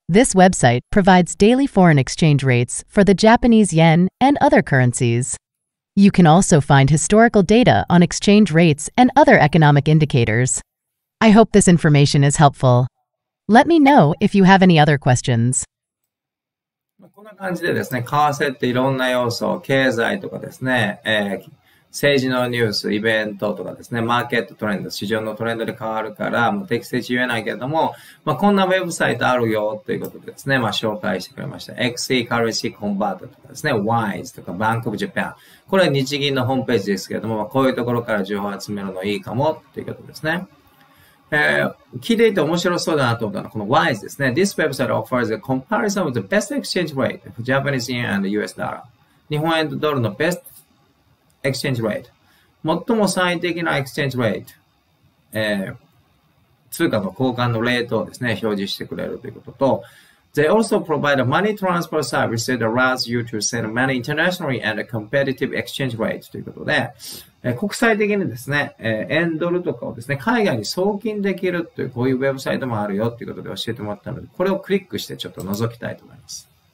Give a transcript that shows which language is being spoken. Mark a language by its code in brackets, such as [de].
[en] This website provides daily foreign exchange rates for the Japanese yen and other currencies. You can also find historical data on exchange rates and other economic indicators. I hope this information is helpful. Let me know if you have any other questions. [ja] こんな感じでですね、為替っていろんな要素、経済とかですね、政治のニュース、イベントとかですね、マーケットトレンド、市場のトレンドで変わるから、もう適切言えないけれども、まあ、こんなウェブサイトあるよということでですね、まあ、紹介してくれました。 XE Currency Converter とかですね、WISE とか Bank of Japan。これは日銀のホームページですけれども、まあ、こういうところから情報を集めるのいいかもということですね。聞いていて面白そうだなと思ったのは、この WISE ですね。 [en] This website offers a comparison of the best exchange rate for Japanese yen and US dollar. [ja] 日本円とドルの bestエクスチェンジレート、最も最適なエクスチェンジレート、通貨の交換のレートをですね、表示してくれるということと、 [en] They also provide a money transfer service that allows you to send money internationally at a competitive exchange rate [ja] ということで、国際的にですね、円ドルとかをですね、海外に送金できるというこういうウェブサイトもあるよということで教えてもらったので、これをクリックしてちょっと覗きたいと思います。